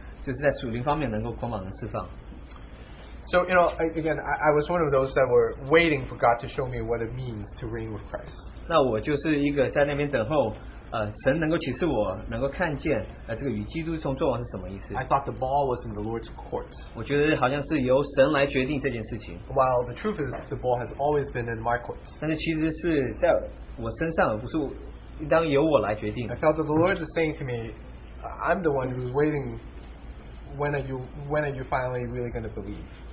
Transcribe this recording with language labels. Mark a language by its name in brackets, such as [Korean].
[Chinese] 或是讲到教会的时候，我们怎么样能够捆绑还有释放，就是在属灵方面能够捆绑和释放。 [English] So, you know, again, I was one of those that were waiting for God to show me what it means to reign with Christ. [Chinese] 那我就是一个在那边等候，神能够启示我，能够看见，这个与基督从作王是什么意思。 [English] I thought the ball was in the Lord's court. [Chinese] 我觉得好像是由神来决定这件事情。 [English] While the truth is, the ball has always been in my court. [Chinese] 但是其实是在我身上，不是应当由我来决定。 [English] I felt that the Lord is saying to me, I'm the one who's waiting, when are you finally really going to believe?